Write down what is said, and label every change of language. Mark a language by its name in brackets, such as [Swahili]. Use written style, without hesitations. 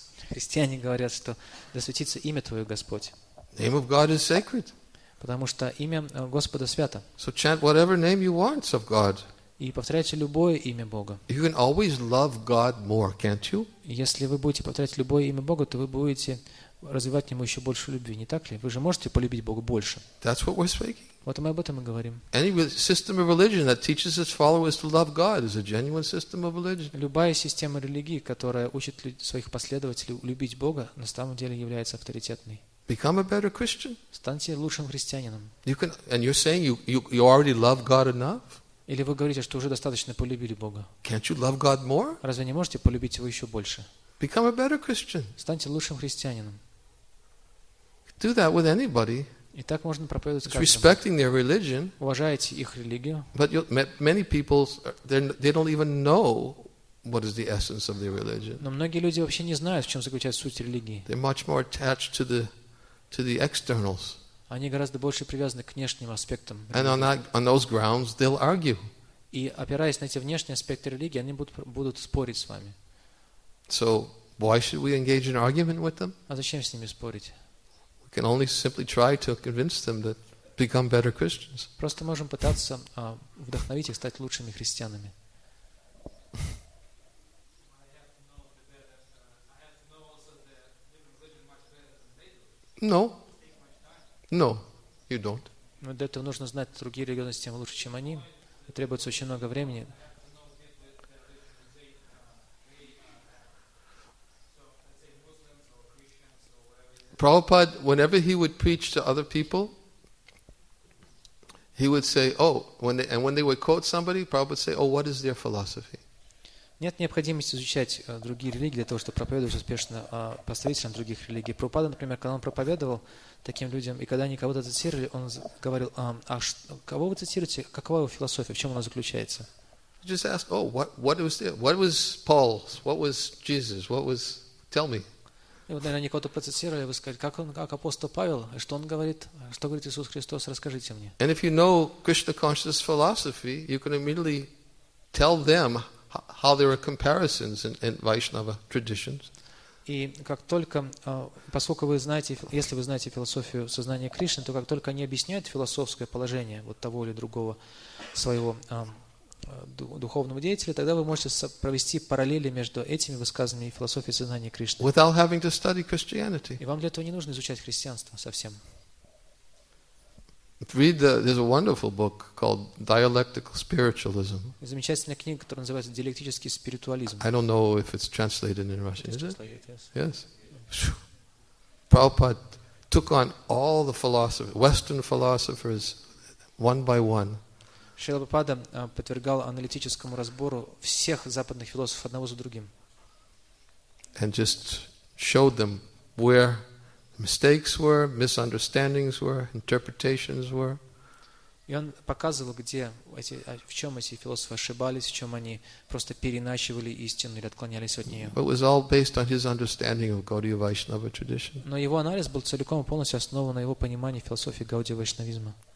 [Russian] Христиане говорят, что да святится имя Твое, Господь. [English] Name of God is sacred. [Russian] Потому что имя Господа свято. [English] So chant whatever name you want of God. [Russian] И повторяйте любое имя Бога. [English] You can always love God more, can't you? [Russian] Если вы будете повторять любое имя Бога, то вы будете развивать к Нему еще больше любви, не так ли? Вы же можете полюбить Бога больше. [English] That's what we're speaking. [Russian] Вот мы об этом и говорим. [English] Any system of religion that teaches its followers to love God is a genuine system of religion. [Russian] Любая система религии, которая учит своих последователей любить Бога, на самом деле является авторитетной. [English] Become a better Christian. [Russian] Станьте лучшим христианином. [English] You can, and you're saying you already love God enough? [Russian] Или вы говорите, что уже достаточно полюбили Бога? [English] Can't you love God more? [Russian] Разве не можете полюбить Его еще больше? [English] Become a better Christian. [Russian] Станьте лучшим христианином. [English] Do that with anybody. [Russian] И так можно проповедовать каждому. [English] Respecting their religion. [Russian] Уважайте их религию. [English] But many people they don't even know what is the essence of their religion. [Russian] Но многие люди вообще не знают, в чем заключается суть религии. [English] They're much more attached to the externals. [Russian] Они гораздо больше привязаны к внешним аспектам. [English] And on those grounds, they'll argue. [Russian] И опираясь на эти внешние аспекты религии, они будут спорить с вами. [English] So why should we engage in argument with them? [Russian] А зачем с ними спорить? [English] We can only simply try to convince them that become better Christians. [Russian] Просто можем пытаться вдохновить их стать лучшими христианами. [English] No. No, you don't. [Russian] Но для этого нужно знать другие религиозные системы лучше, чем они. И требуется очень много времени. [English] Prabhupada, whenever he would preach to other people, he would say, "Oh, when they would quote somebody, Prabhupada would say, 'Oh, what is their philosophy?'" [Russian] Нет необходимости изучать другие религии для того, чтобы проповедовать успешно представителям других религий. Прабхупада, например, когда он проповедовал таким людям, и когда они кого-то цитировали, он говорил, кого вы цитируете, какова его философия, в чем она заключается? [English] Just ask, oh, what was there? What was Paul's? What was Jesus? What was... Tell me. [Russian] И вот, наверное, они кого-то процитировали, вы сказали, как апостол Павел, что он говорит, что говорит Иисус Христос, расскажите мне. [English] And if you know Krishna consciousness philosophy, you can immediately tell them how there are comparisons in Vaishnava traditions. [Russian] И как только, поскольку вы знаете, если вы знаете философию сознания Кришны, то как только они объясняют философское положение вот того или другого своего духовного деятеля, тогда вы можете провести параллели между этими высказаниями и философией сознания Кришны. [English] Without having to study Christianity. [Russian] И вам для этого не нужно изучать христианство совсем. [English] There's a wonderful book called Dialectical Spiritualism. [Russian] Замечательная книга, которая называется «Диалектический спиритуализм». [English] I don't know if it's translated in Russian. It's translated, yes. Yes. Mm-hmm. Prabhupada took on all the philosophers, Western philosophers, one by one. [Russian] Шрила Прабхупада подвергал аналитическому разбору всех западных философов одного за другим. [English] And just showed them where mistakes were, misunderstandings were, interpretations were. [Russian] И он показывал, где эти, в чем эти философы ошибались, в чем они просто переначивали истину или отклонялись от нее. [English] But it was all based on his understanding of Gaudiya Vaishnava tradition. [Russian] Но его анализ был целиком и полностью основан на его понимании философии Гауди Вайшнавизма.